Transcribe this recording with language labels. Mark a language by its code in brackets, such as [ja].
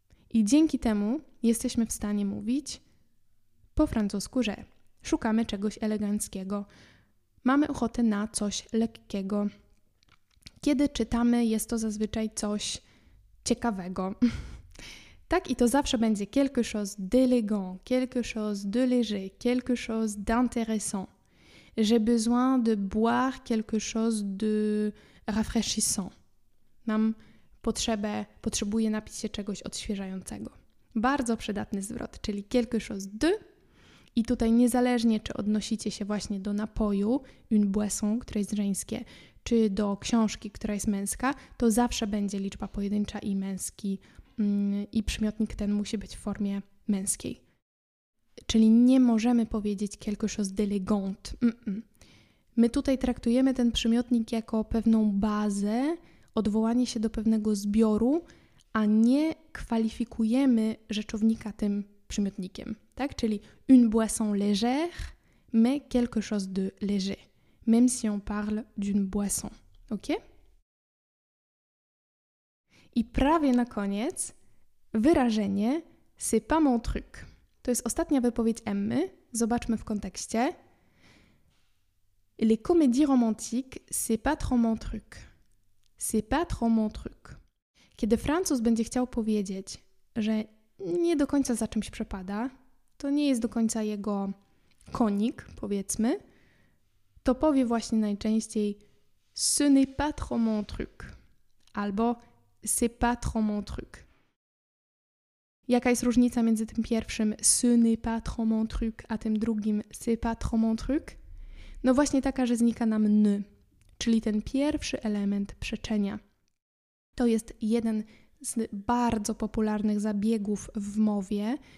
[pl] I dzięki temu jesteśmy w stanie mówić po francusku, że szukamy czegoś eleganckiego, mamy ochotę na coś lekkiego. Kiedy czytamy, jest to zazwyczaj coś ciekawego. Tak, i to zawsze będzie [fr] quelque chose d'élégant, quelque chose de léger, quelque chose d'intéressant. J'ai besoin de boire quelque chose de rafraîchissant. [pl] Mam potrzebę, potrzebuję napić się czegoś odświeżającego. Bardzo przydatny zwrot, czyli [fr] quelque chose de. [pl] I tutaj niezależnie, czy odnosicie się właśnie do napoju, [fr] une boisson, [pl] które jest żeńskie, czy do książki, która jest męska, to zawsze będzie liczba pojedyncza i męski i przymiotnik ten musi być w formie męskiej. Czyli nie możemy powiedzieć [fr] quelque chose d'élégant. [pl] My tutaj traktujemy ten przymiotnik jako pewną bazę, odwołanie się do pewnego zbioru, a nie kwalifikujemy rzeczownika tym przymiotnikiem. Tak? Czyli [fr] une boisson légère, mais quelque chose de léger. Même si on parle d'une boisson. Ok? [pl] I prawie na koniec wyrażenie [fr] c'est pas mon truc. [pl] To jest ostatnia wypowiedź Emmy. Zobaczmy w kontekście. [fr] Les comédies romantiques, c'est pas trop mon truc. C'est pas trop mon truc. [pl] Kiedy Francuz będzie chciał powiedzieć, że nie do końca za czymś przepada, to nie jest do końca jego konik, powiedzmy, to powie właśnie najczęściej [fr] ce n'est pas trop mon truc. [pl] Albo [fr] c'est pas trop mon truc. [pl] Jaka jest różnica między tym pierwszym [fr] ce n'est pas trop mon truc, [pl] a tym drugim [fr] c'est pas trop mon truc? [pl] No właśnie taka, że znika nam ne. czyli ten pierwszy element przeczenia. To jest jeden z bardzo popularnych zabiegów w mowie.